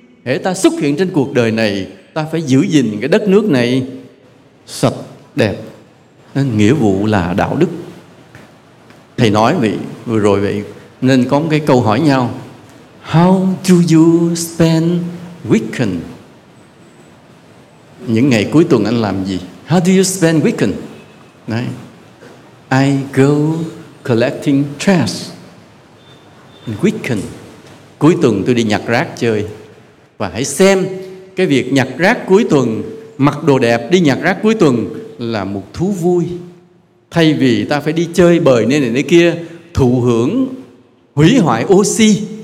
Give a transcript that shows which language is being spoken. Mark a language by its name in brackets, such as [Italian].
[Vietnamese] Hễ ta xuất hiện trên cuộc đời này, ta phải giữ gìn cái đất nước này sạch đẹp. Nên nghĩa vụ là đạo đức. Thầy nói vậy, vừa rồi vậy, nên có một cái câu hỏi nhau: [English] How do you spend weekend? [Vietnamese] Những ngày cuối tuần anh làm gì? [English] How do you spend weekend? [Vietnamese] Đấy. [English] I go collecting trash in weekend. [Vietnamese] Cuối tuần tôi đi nhặt rác chơi. Và hãy xem cái việc nhặt rác cuối tuần, mặc đồ đẹp đi nhặt rác cuối tuần là một thú vui. Thay vì ta phải đi chơi bời nơi này nơi kia, thụ hưởng hủy hoại oxy.